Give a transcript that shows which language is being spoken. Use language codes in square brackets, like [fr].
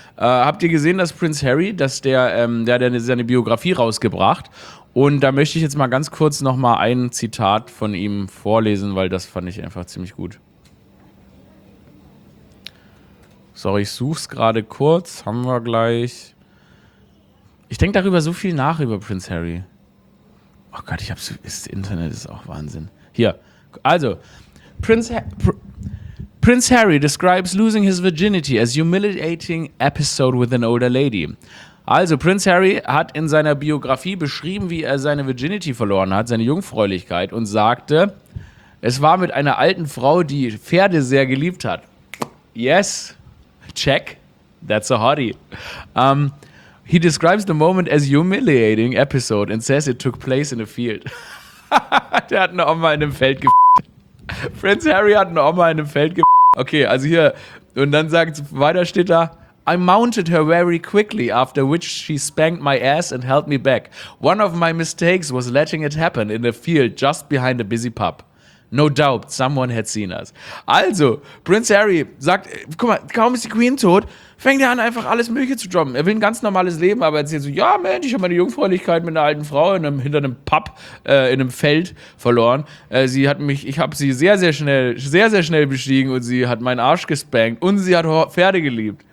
[de] Habt ihr gesehen, dass Prince Harry, der hat seine Biografie rausgebracht und da möchte ich jetzt mal ganz kurz nochmal ein Zitat von ihm vorlesen, weil das fand ich einfach ziemlich gut. Sorry, ich such's gerade kurz, haben wir gleich. Ich denke darüber so viel nach, über Prince Harry. Oh Gott, ich hab's. Das Internet ist auch Wahnsinn. Hier, also, [en] Prince Harry describes losing his virginity as humiliating episode with an older lady. [de] Also, Prince Harry hat in seiner Biografie beschrieben, wie er seine Virginity verloren hat, seine Jungfräulichkeit, und sagte, es war mit einer alten Frau, die Pferde sehr geliebt hat. [en] Yes, check, that's a hottie. He describes the moment as humiliating episode and says it took place in a field. [de] Der hat eine Oma in einem Feld gef***t. Prince Harry hat eine Oma in einem Feld gef***t. Okay, also hier, und dann sagt, weiter steht da, [en] I mounted her very quickly, after which she spanked my ass and held me back. One of my mistakes was letting it happen in a field just behind a busy pub. No doubt, someone had seen us. [de] Also, Prince Harry sagt, guck mal, kaum ist die Queen tot, fängt er an, einfach alles Mögliche zu droppen. Er will ein ganz normales Leben, aber er erzählt so, ja, Mensch, ich habe meine Jungfräulichkeit mit einer alten Frau hinter einem Pub, in einem Feld verloren. Ich habe sie sehr, sehr schnell bestiegen und sie hat meinen Arsch gespankt und sie hat Pferde geliebt.